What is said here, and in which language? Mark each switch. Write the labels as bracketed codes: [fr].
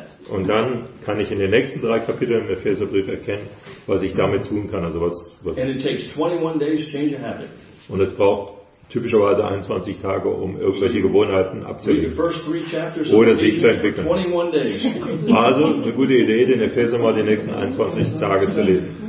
[de] Und dann kann ich in den nächsten drei Kapiteln im Epheserbrief erkennen, was ich damit tun kann. Also was [en] and it takes 21 days to change a habit. [de] Und es braucht typischerweise 21 Tage, um irgendwelche Gewohnheiten abzulegen. Oder sich zu entwickeln. Also eine gute Idee, den Epheser mal die nächsten 21 Tage zu lesen.